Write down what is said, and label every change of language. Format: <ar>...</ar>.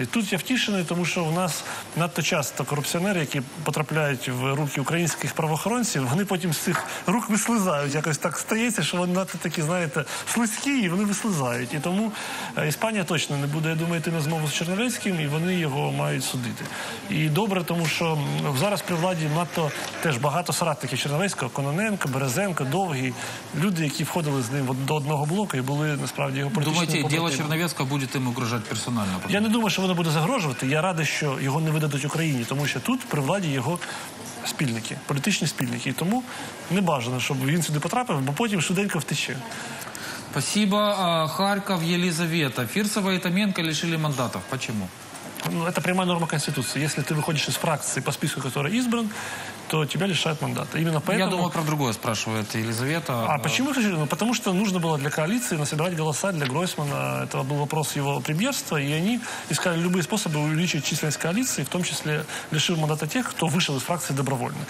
<ru>И тут</ru> <uk>я втішений,</uk> <ru>потому что у нас надто часто коррупционеры, которые потрапляют в руки украинских правоохранителей, они потом с их рук выслезают.</ru> <uk>Якось так стається,</uk> <ru>что они надто такі, знаете, слизкие, и они выслезают.</ru> <uk>И тому</uk> <ru>Испания точно не будет, я думаю, идти</ru> <uk>на змову</uk> <ru>с Черновецким, и они его</ru> <uk>мають судить. И добре,</uk> <ru>потому что</ru> <uk>зараз при владі надто теж багато соратників Черновецького, Кононенко, Березенко, Довгий, люди, які входили з ним до одного блоку і були насправді його політичними побратимами. Думаєте, діло Черновецького буде їм угрожати персонально? Я не думаю, що воно буде загрожувати. Я радий, що його не видадуть Україні, тому що тут при владі його спільники, політичні спільники. І тому не бажано, щоб він сюди потрапив, бо потім швиденько втече. Спасибо. Харків, Єлизавета. Фірсова і Томенко лишили мандатів. Чому?</uk> <ru>Ну, это прямая норма Конституции. Если ты выходишь из фракции по списку, который избран, то тебя лишают мандата. Именно поэтому... Я думал про другое, спрашивает Елизавета. А почему? Ну, потому что нужно было для коалиции насобирать голоса для Гройсмана. Это был вопрос его премьерства. И они искали любые способы увеличить численность коалиции, в том числе лишив мандата тех, кто вышел из фракции добровольно.</ru>